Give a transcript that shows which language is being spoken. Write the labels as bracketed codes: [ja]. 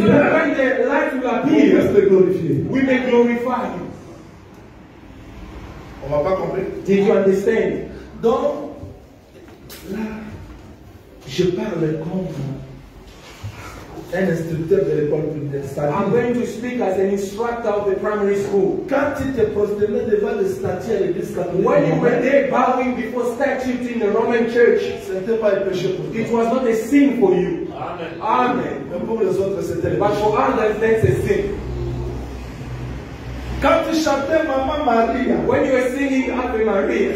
[en] so that when the light will appear, we may glorify Him. We may glorify Him. [fr] On va pas comprendre. [en] Did you understand? [fr] Donc là, je parle comme un instructeur de l'école primaire. [en] I'm going to speak as an instructor of the primary school. [fr] Quand tu te prosternais devant les statues à l'église catholique, [en] when you were there bowing before statues in the Roman Church, [fr] c'était pas un péché pour toi. [en] It was not a sin for you. Amen. Amen. [fr] Pour les autres, c'était. [en] But for others, that's a sin. [fr] Quand tu chantais Maman Maria, [en] when you were singing Ave Maria,